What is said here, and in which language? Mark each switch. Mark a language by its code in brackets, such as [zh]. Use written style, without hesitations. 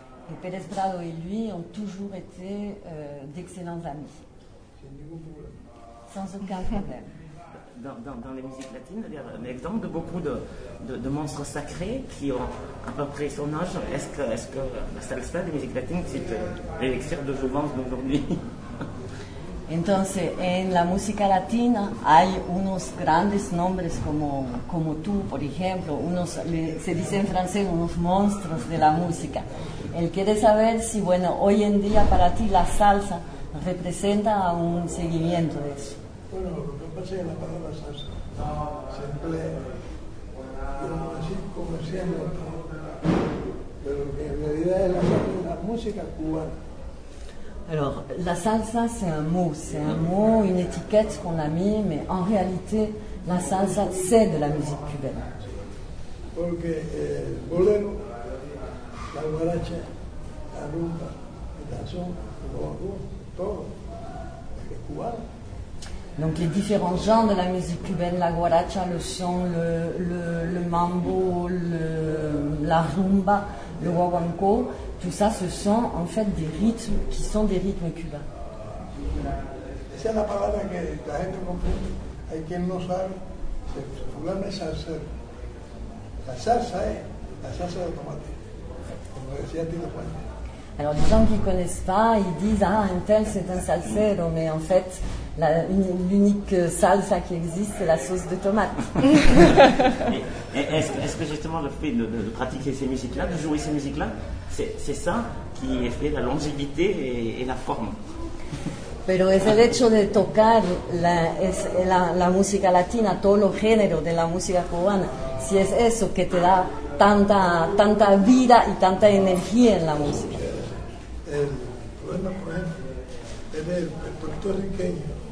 [fr] Et Pérez Prado et lui ont toujours été d'excellents amis. Sans aucun problème. Dans les musiques latines, il y a un exemple de beaucoup de monstres sacrés qui ont à peu près son âge. Est-ce que la salsa des musiques latines, c'est l'élixir de jouvence d'aujourd'hui? [es] Entonces, en la música latina hay unos grandes nombres como tú, por ejemplo, se dice en francés unos monstruos de la música. Él quiere saber si, bueno, hoy en día para ti la salsa representa un seguimiento de eso. Bueno, lo que pasa es que la palabra salsa se emplea. Y vamos a decir comerciando, pero que en realidad es la música cubana. [fr] Alors, la salsa, c'est un mot, une étiquette qu'on a mis, mais en réalité, la salsa, c'est de la musique cubaine. Parce que le bolero, la guaracha, la rumba, la danzón, le bongo, tout, c'est cubain. Donc, les différents genres de la musique cubaine, la guaracha, le son, le mambo, la rumba, le guaguancó, tout ça, ce sont en fait des rythmes qui sont des rythmes cubains. C'est la parole que [es] la gente comprende, hay quien no sabe, c'est fulano es salsero. La salsa es la salsa de tomate, como decía Tito Puente. [fr] Alors, les gens qui ne connaissent pas, ils disent, ah, un tel c'est un salsero, mais en fait, l'unique salsa qui existe, c'est la sauce de tomate. Et est-ce que justement le fait de pratiquer ces musiques-là, de jouer ces musiques-là, c'est ça qui fait la longévité et la forme? [es] Pero es el hecho de tocar la música latina, todos los géneros de la música cubana, si es eso que te da tanta vida y tanta energía en la música. El problema, por ejemplo, es el puertorriqueño.